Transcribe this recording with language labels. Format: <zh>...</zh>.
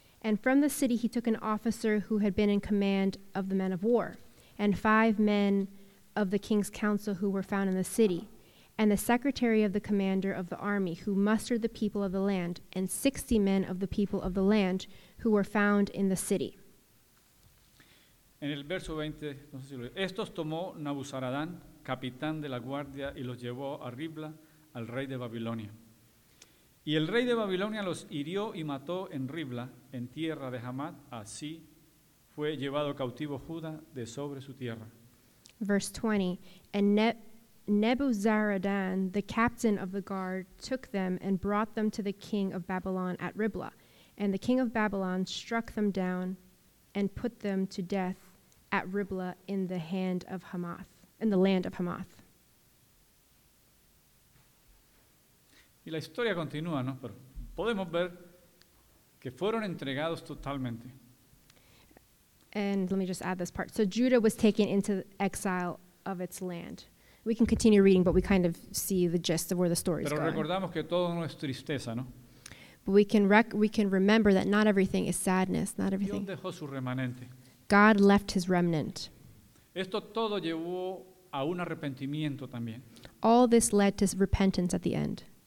<en>And from the city he took an officer who had been in command of the men of war, and five men of the king's council who were found in the city. and the secretary of the commander of the army who mustered the people of the land, and 60 men of the people of the land who were found in the city.</en> <es>En el verso 20, no sé si lo, estos tomó Nabuzaradán, capitán de la guardia, y los llevó a Ribla, al rey de Babilonia. Y el rey de Babilonia los hirió y mató en Ribla, en tierra de Hamat. Así fue llevado cautivo Judá de sobre su tierra.</es> <en>Verse 20, and Nebuzaradan, the captain of the guard, took them and brought them to the king of Babylon at Ribla. And the king of Babylon struck them down and put them to death at Ribla in the hand of Hamath, in the land of Hamath.</en> <es>Y la historia continúa, ¿no? Pero podemos ver que fueron entregados totalmente.</es> <en>And let me just add this part. So Judah was taken into exile of its land. We can continue reading, but we kind of see the gist of where the story is going.</en> <es>Pero recordamos que todo no es tristeza, ¿no?</es> <en>But we can remember that not everything is sadness, not everything.</en> <es>Dios dejó su remanente.</es> <en>God left his remnant.</en> <es>Esto todo llevó a un arrepentimiento también.</es> <en>All this led to repentance at the end.</en>